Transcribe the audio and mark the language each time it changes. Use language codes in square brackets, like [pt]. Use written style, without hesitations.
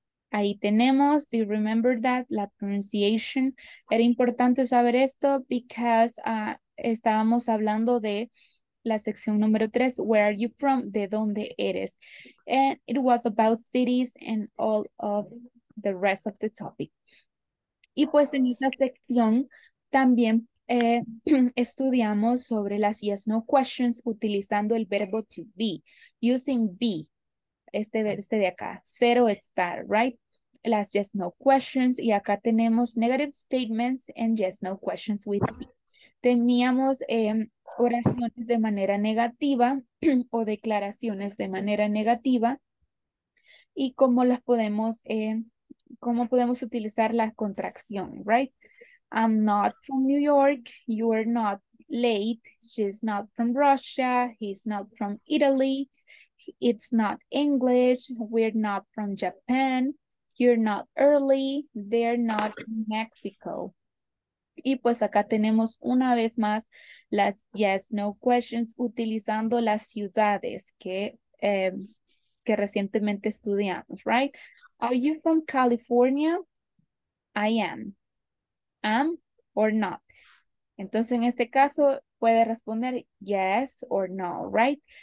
[es] Ahí tenemos, [en] do you remember that? La pronunciation. [es] Era importante saber esto [en] because [es] estábamos hablando de la sección número 3, [en] where are you from? [es] ¿De dónde eres? [en] And it was about cities and all of the rest of the topic. [es] Y pues en esta sección también estudiamos sobre las [en] yes no questions [es] utilizando el verbo to be, [en] using be, [es] este de acá, ser o estar, [en] right? Las yes no questions, [es] y acá tenemos [en] negative statements and yes no questions with be. [es] Teníamos oraciones de manera negativa o declaraciones de manera negativa, y cómo las podemos, cómo podemos utilizar la contracción, [en] right? I'm not from New York, you are not late, she's not from Russia, he's not from Italy, it's not English, we're not from Japan, you're not early, they're not Mexico. [es] Y pues acá tenemos una vez más las [en] yes, no questions [es] utilizando las ciudades que recientemente estudiamos, [en] right? Are you from California? I am. Am or not. [es] Entonces, en este caso, puede responder [en] yes or no, right?